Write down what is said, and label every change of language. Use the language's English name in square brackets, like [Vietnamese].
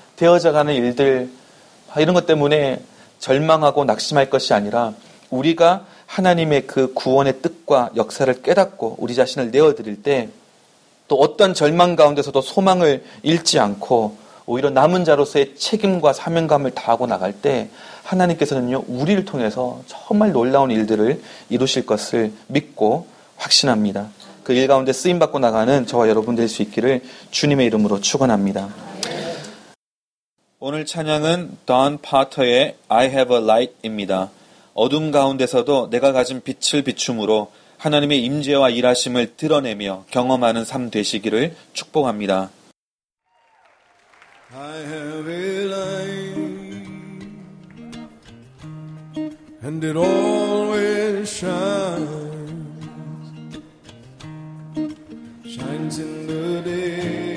[Korean] 되어져가는 일들, 이런 것 때문에 절망하고 낙심할 것이 아니라 우리가 하나님의 그 구원의 뜻과 역사를 깨닫고 우리 자신을 내어드릴 때 또 어떤 절망 가운데서도 소망을 잃지 않고 오히려 남은 자로서의 책임과 사명감을 다하고 나갈 때 하나님께서는요 우리를 통해서 정말 놀라운 일들을 이루실 것을 믿고 확신합니다. 그 일 가운데 쓰임받고 나가는 저와 여러분 될 수 있기를 주님의 이름으로 축원합니다. 오늘 찬양은 Don Potter의 I Have a Light입니다. 어둠 가운데서도 내가 가진 빛을 비춤으로 하나님의 임재와 일하심을 드러내며 경험하는 삶 되시기를 축복합니다. [English] I have a light and it always shines shines in the day